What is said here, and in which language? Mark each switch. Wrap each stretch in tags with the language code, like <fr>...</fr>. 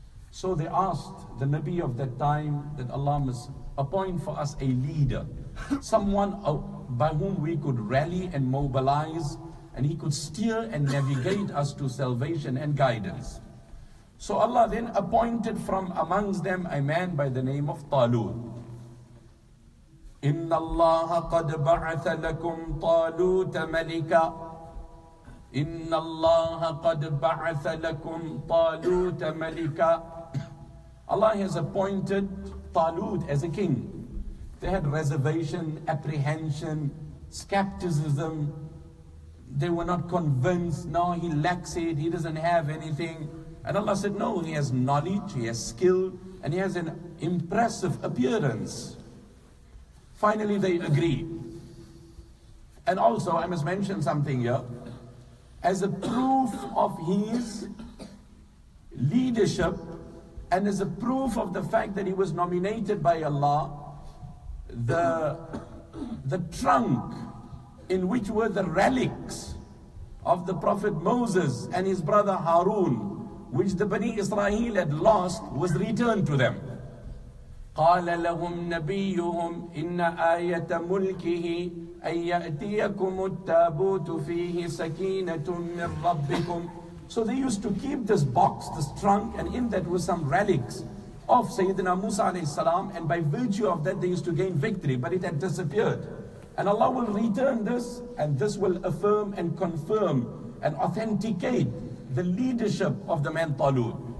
<en>So they asked the Nabi of that time that Allah must appoint for us a leader, someone by whom we could rally and mobilize, and he could steer and navigate us to salvation and guidance. So Allah then appointed from amongst them a man by the name of Talut.</en> <ar>إِنَّ اللَّهَ قَدْ بَعَثَ لَكُمْ طَالُوتَ مَلِكًا إِنَّ اللَّهَ قَدْ بَعَثَ لَكُمْ طَالُوتَ مَلِكًا</ar> <en>Allah has appointed Talut as a king. They had reservation, apprehension, skepticism. They were not convinced. No, he lacks it. He doesn't have anything. And Allah said, no, he has knowledge, he has skill, and he has an impressive appearance. Finally, they agree. And also, I must mention something here. As a proof of his leadership, and as a proof of the fact that he was nominated by Allah, the trunk in which were the relics of the Prophet Moses and his brother Harun, which the Bani Israel had lost, was returned to them.</en> <ar>قال لهم نبيهم إن آية ملكه أن يأتيكم التابوت فيه سكينة من ربكم.</ar> <en>So they used to keep this box, this trunk, and in that were some relics of Sayyidina Musa alayhi salam, and by virtue of that they used to gain victory, but it had disappeared. And Allah will return this, and this will affirm and confirm and authenticate the leadership of the man Talut.</en>